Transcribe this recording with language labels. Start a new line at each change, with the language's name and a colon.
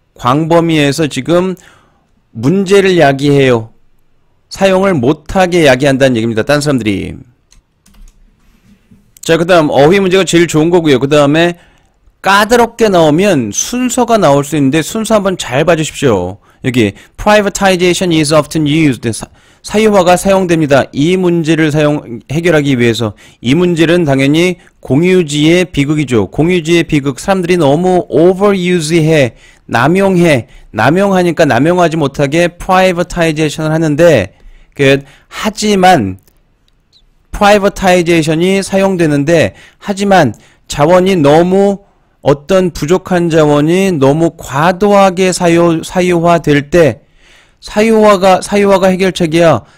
Korean: 광범위에서 지금 문제를 야기해요. 사용을 못하게 야기한다는 얘기입니다. 딴 사람들이. 자, 그 다음, 어휘 문제가 제일 좋은 거고요. 그 다음에 까다롭게 나오면 순서가 나올 수 있는데 순서 한번 잘 봐주십시오.
English: 여기, privatization is often used.
Korean: 사유화가 사용됩니다. 이 문제를 해결하기 위해서. 이 문제는 당연히 공유지의 비극이죠. 공유지의 비극. 사람들이 너무 overuse해. 남용해. 남용하니까 남용하지 못하게 privatization을 하는데, 하지만, privatization이 사용되는데, 하지만 자원이 너무, 어떤 부족한 자원이 너무 과도하게 사유화될 때, 사유화가 해결책이야.